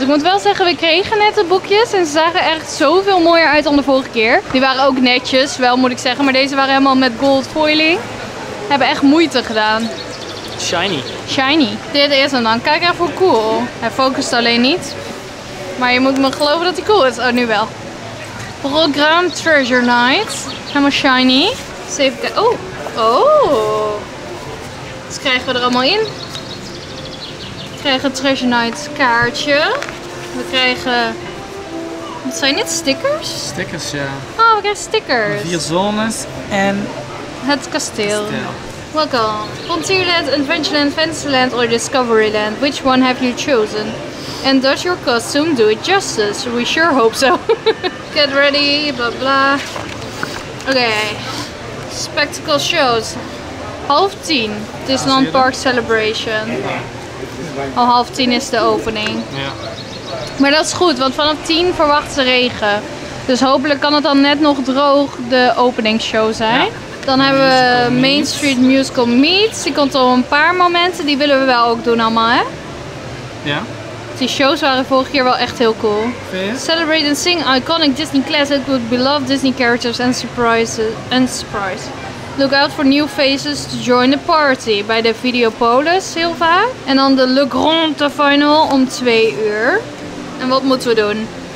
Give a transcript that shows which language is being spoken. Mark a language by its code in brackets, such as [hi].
[nl] Ik moet wel zeggen, we kregen net de boekjes en ze zagen echt zoveel mooier uit dan de vorige keer. Die waren ook netjes, wel moet ik zeggen, maar deze waren helemaal met gold foiling. Hebben echt moeite gedaan. [en] Shiny. [nl] Shiny. Dit is hem dan. Kijk even hoe cool. Hij focust alleen niet. Maar je moet me geloven dat hij cool is. Oh, nu wel. [en] Program Treasure Night. [nl] Helemaal shiny. Dus even kijken. Oh. Dus krijgen we er allemaal in. We krijgen een Treasure Night kaartje. We krijgen... Wat zijn dit? Stickers? Stickers, ja. Oh, we krijgen stickers. Vier zones en... Het kasteel. [en] Welcome. Frontierland, Adventureland, Fantasyland or Discoveryland. Which one have you chosen? And does your costume do it justice? We sure hope so. Get ready, blah blah. Okay. Spectacle shows. 9:30. Disneyland Park Celebration. [nl] Al 9:30 is de opening. Yeah. Maar dat is goed, want vanaf 10 verwacht ze regen. Dus hopelijk kan het dan net nog droog de openingsshow zijn. Yeah. Dan hebben we Main Street Musical Meets. Die komt al een paar momenten. Die willen we wel ook doen allemaal, hè? Ja. Die shows waren vorige keer wel echt heel cool. [en] Celebrate and sing iconic Disney classic with beloved Disney characters and surprises. And surprise. Look out for new faces to join the party. [nl] Bij de Videopolis, heel vaak. En dan de Le Grand Final om 2:00. En wat moeten we doen?